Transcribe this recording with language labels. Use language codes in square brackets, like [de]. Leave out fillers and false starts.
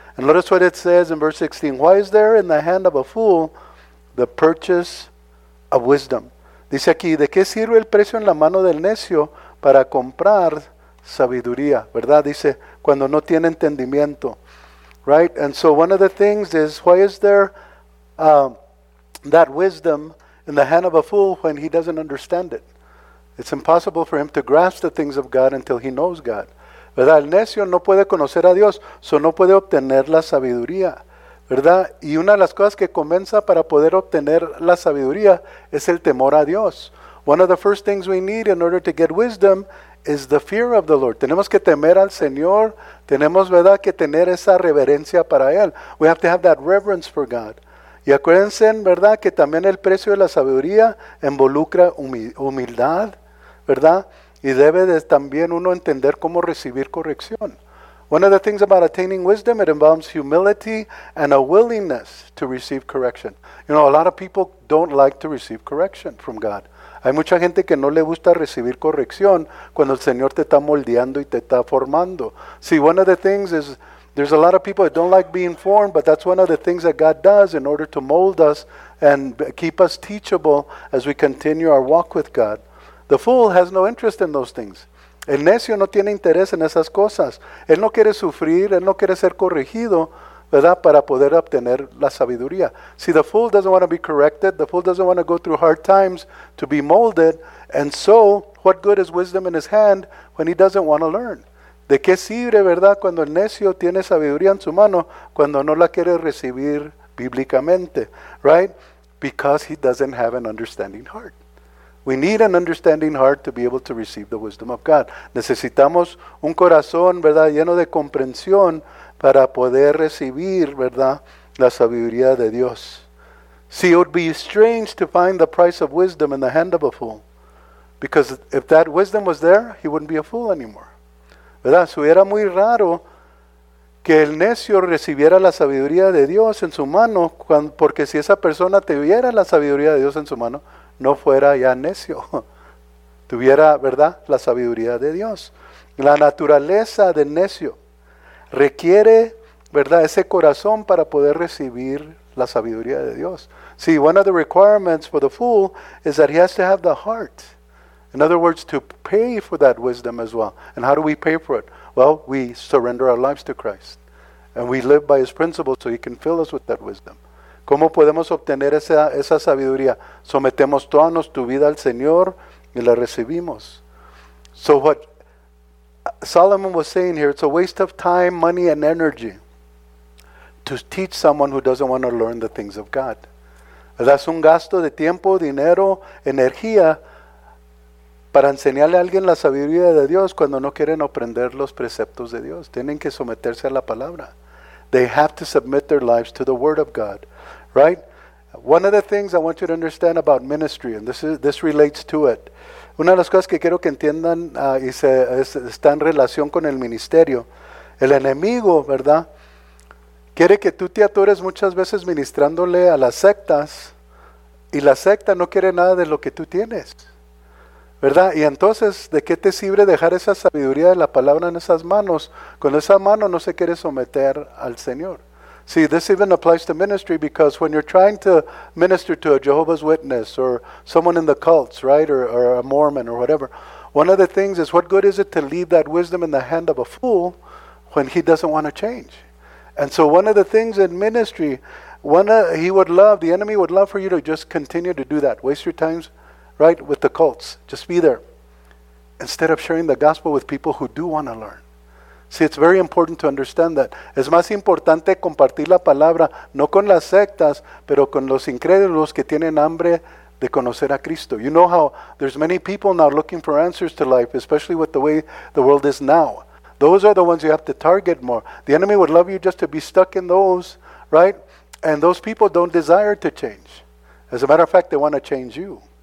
[en] And notice what it says in verse 16. Why is there in the hand of a fool the purchase of wisdom? [es] Dice aquí, ¿de qué sirve el precio en la mano del necio para comprar sabiduría? ¿Verdad? Dice, cuando no tiene entendimiento. [en] Right? And so one of the things is, why is there that wisdom in the hand of a fool when he doesn't understand it? It's impossible for him to grasp the things of God until he knows God. [es] ¿Verdad? El necio no puede conocer a Dios, so no puede obtener la sabiduría. ¿Verdad? Y una de las cosas que comienza para poder obtener la sabiduría es el temor a Dios. [en] One of the first things we need in order to get wisdom is the fear of the Lord. [es] Tenemos que temer al Señor, tenemos, ¿verdad?, que tener esa reverencia para Él. [en] We have to have that reverence for God. [es] Y acuérdense, ¿verdad?, que también el precio de la sabiduría involucra humildad, ¿verdad? Y debe de también uno entender cómo recibir corrección. [en] One of the things about attaining wisdom, it involves humility and a willingness to receive correction. You know, a lot of people don't like to receive correction from God. [es] Hay mucha gente que no le gusta recibir corrección cuando el Señor te está moldeando y te está formando. [en] See, one of the things is, there's a lot of people that don't like being formed, but that's one of the things that God does in order to mold us and keep us teachable as we continue our walk with God. The fool has no interest in those things. [es] El necio no tiene interés en esas cosas. Él no quiere sufrir, él no quiere ser corregido, ¿verdad?, para poder obtener la sabiduría. [en] See, the fool doesn't want to be corrected. The fool doesn't want to go through hard times to be molded. And so, what good is wisdom in his hand when he doesn't want to learn? [es] ¿De qué sirve, verdad, cuando el necio tiene sabiduría en su mano, cuando no la quiere recibir bíblicamente? [en] Right? Because he doesn't have an understanding heart. We need an understanding heart to be able to receive the wisdom of God. [es] Necesitamos un corazón, verdad, lleno de comprensión para poder recibir, verdad, la sabiduría de Dios. [en] See, it would be strange to find the price of wisdom in the hand of a fool. Because if that wisdom was there, he wouldn't be a fool anymore. [es] ¿Verdad? Si hubiera muy raro que el necio recibiera la sabiduría de Dios en su mano, porque si esa persona tuviera la sabiduría de Dios en su mano, no fuera ya necio. Tuviera, ¿verdad?, la sabiduría de Dios. La naturaleza del necio requiere, ¿verdad?, ese corazón para poder recibir la sabiduría de Dios. [en] See, one of the requirements for the fool is that he has to have the heart. In other words, to pay for that wisdom as well. And how do we pay for it? Well, we surrender our lives to Christ. And we live by his principles so he can fill us with that wisdom. [es] ¿Cómo podemos obtener esa sabiduría? Sometemos toda nuestra vida al Señor y la recibimos. [en] So what Solomon was saying here, it's a waste of time, money, and energy to teach someone who doesn't want to learn the things of God. [es] Es un gasto de tiempo, dinero, energía para enseñarle a alguien la sabiduría de Dios cuando no quieren aprender los preceptos de Dios. Tienen que someterse a la palabra. [en] They have to submit their lives to the word of God. Right? One of the things I want you to understand about ministry, and this relates to it. [es] Una de las cosas que quiero que entiendan está en relación con el ministerio. El enemigo, ¿verdad?, quiere que tú te atores muchas veces ministrándole a las sectas, y la secta no quiere nada de lo que tú tienes, ¿verdad? Y entonces, ¿de qué te sirve dejar esa sabiduría de la palabra en esas manos cuando esa mano no se quiere someter al Señor? [en] See, this even applies to ministry because when you're trying to minister to a Jehovah's Witness or someone in the cults, right, or a Mormon or whatever, one of the things is, what good is it to leave that wisdom in the hand of a fool when he doesn't want to change? And so one of the things in ministry, the enemy would love for you to just continue to do that. Waste your time, right, with the cults. Just be there. Instead of sharing the gospel with people who do want to learn. See, it's very important to understand that. [es] Es más importante compartir la palabra, no con las sectas, pero con los incrédulos que tienen hambre de conocer a Cristo. [en] You know how there's many people now looking for answers to life, especially with the way the world is now. Those are the ones you have to target more. The enemy would love you just to be stuck in those, right? And those people don't desire to change. As a matter of fact, they want to change you.